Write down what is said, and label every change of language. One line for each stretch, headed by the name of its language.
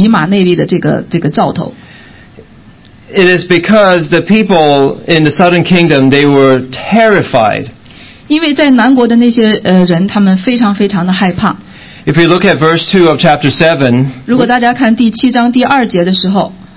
Chinese: 是在这样的一个情况下，上帝给了这个以马内利的这个兆头。
English: It is because the people in the southern kingdom, they were terrified.
Chinese: 因为在南国的那些人，他们非常非常的害怕。
English: If we look at verse 2 of chapter 7,
Chinese: 如果大家看第七章第二节的时候，